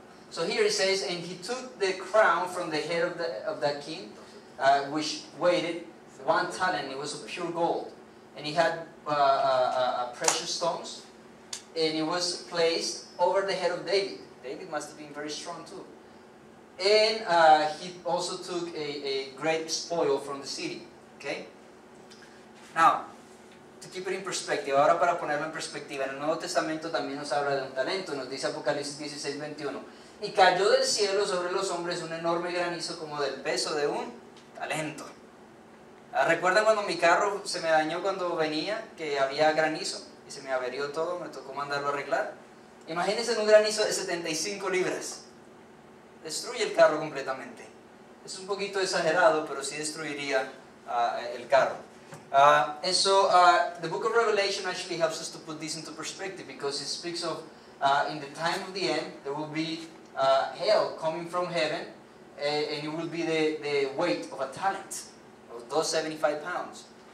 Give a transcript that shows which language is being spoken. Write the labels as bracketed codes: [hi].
[en] So here it says, and he took the crown from the head of the king, which weighed one talent. It was of pure gold, and he had precious stones, and it was placed over the head of David. David must have been very strong too. And he also took a great spoil from the city. Okay. Now, to keep it in perspective, [es] ahora para ponerlo en perspectiva, en el Nuevo Testamento también nos habla de un talento. Nos dice Apocalipsis 16:21. Y cayó del cielo sobre los hombres un enorme granizo como del peso de un talento. ¿Recuerdan cuando mi carro se me dañó cuando venía, que había granizo y se me averió todo, me tocó mandarlo a arreglar? Imagínense en un granizo de 75 libras. Destruye el carro completamente. Es un poquito exagerado, pero sí destruiría el carro. [en] And so, the book of Revelation actually helps us to put this into perspective, because it speaks of, in the time of the end, there will be hail coming from heaven, and it will be the weight of a talent, of those 75 pounds.